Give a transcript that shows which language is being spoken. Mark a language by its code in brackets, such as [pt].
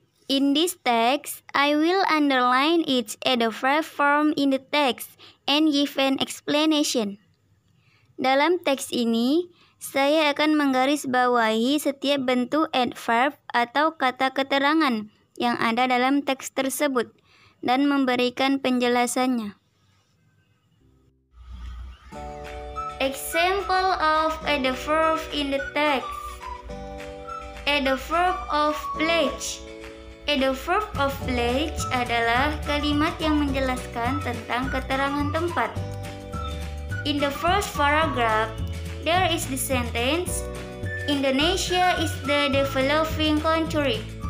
[en] In this text, I will underline each adverb form in the text and give an explanation. [id] Dalam teks ini, saya akan menggarisbawahi setiap bentuk adverb atau kata keterangan yang ada dalam teks tersebut dan memberikan penjelasannya. [en] Example of adverb in the text. [id] Adverb of pledge. Adverb of pledge adalah kalimat yang menjelaskan tentang keterangan tempat. [en] In the first paragraph, there is the sentence, Indonesia is the developing country.